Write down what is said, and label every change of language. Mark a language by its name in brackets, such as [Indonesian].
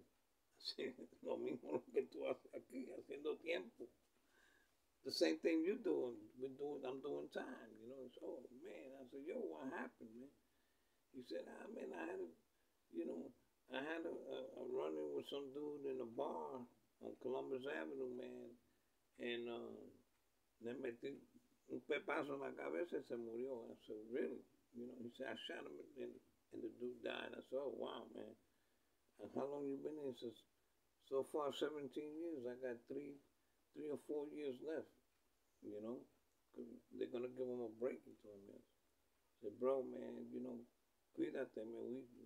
[English] I said, [Spanish] lo mismo que tú haces aquí, haciendo tiempo. [English] The same thing you're doing. We're doing, I'm doing time, you know? He said, oh, man. I said, yo, what happened, man? He said, ah, man, I had a, you know, I had a run-in with some dude in a bar on Columbus Avenue, man. And [Spanish] le metí un pepazo en la cabeza y se murió. [English] I said, really? You know, he said, I shot him, and the dude died. I said, oh, wow, man. And how long you been in? He says, so far, 17 years. I got three or four years left, you know? They're going to give him a break into him, yes. I said, bro, man, you know, [Spanish] cuídate, [English] man.